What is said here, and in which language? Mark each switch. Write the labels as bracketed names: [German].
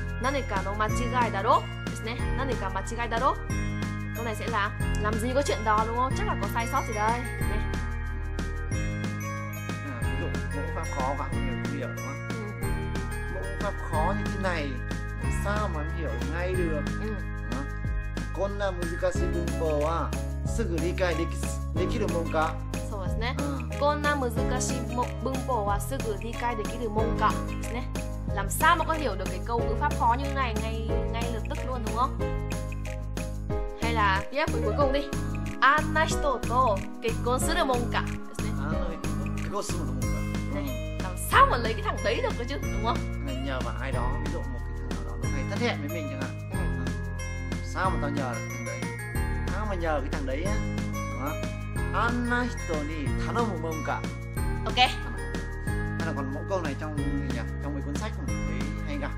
[Japanese] Naneka no machigai daro? Naneka machigai daro? [Vietnamese] Câu này sẽ là làm gì có chuyện đó đúng không? Chắc là có sai sót gì đây. Ví dụ mẫu pháp khó quá, mình hiểu đúng không? Mẫu pháp khó như thế này sao mà hiểu ngay được? [Japanese] こんな難しい文法はすぐ理解できるもんか。そうですね。こんな難しい文法はすぐ理解できるもんかですね。 [Vietnamese] làm sao mà có hiểu được cái câu ngữ pháp khó như này ngay lập tức luôn đúng không? Hay là tiếp cuối cùng đi. [Japanese] あんな人と結婚するもんかですね。あの人と結婚するもんか。ね。 [Vietnamese] làm sao mà lấy cái thằng đấy được cơ chứ đúng không? Mình nhờ vào ai đó, ví dụ một cái thằng đó nó hay thất hẹn với mình chẳng hạn. Sao mà tao nhờ cái thằng đấy? Sao mà nhờ cái thằng đấy á? [Japanese] Anna hito ni tanomu mon ka. [Vietnamese] Ok. Hay là còn mỗi câu này trong gì nhỉ? Trong mấy cuốn sách mà thấy hay gặp.